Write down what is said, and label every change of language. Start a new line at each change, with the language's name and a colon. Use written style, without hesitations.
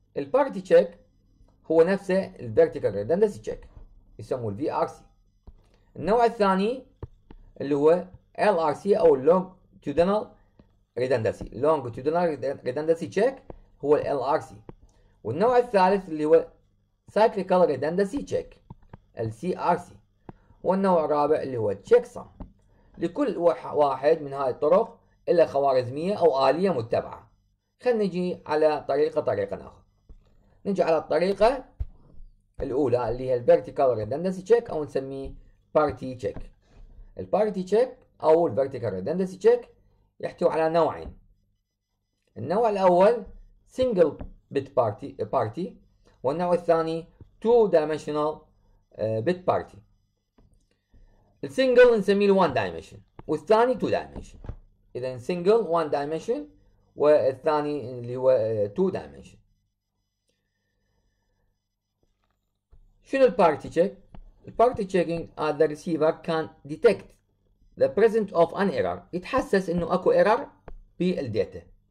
Arabic: Parity check هو نفسه vertical redundancy check يسموه VRC. النوع الثاني اللي هو LRC او longitudinal redundancy، longitudinal redundancy check هو LRC. والنوع الثالث اللي هو cyclical redundancy check CRC، والنوع الرابع اللي هو checksum. لكل واحد من هاي الطرق إلا خوارزمية أو آلية متبعة. خلنا نجي على طريقة ناخذ. نجي على الطريقة الأولى اللي هي vertical redundancy check أو نسميه parity check. parity check أو vertical redundancy check يحتوي على نوعين. النوع الأول single bit party، والنوع الثاني two-dimensional bit party. السنجل نسميه one dimension والثاني two dimension. إذا سنجل one dimension والثاني اللي هو two dimension. شنو
English: party check؟ party checking at the receiver can detect the presence of an error.
Arabic: يتحسس إنه أكو error بالداتا.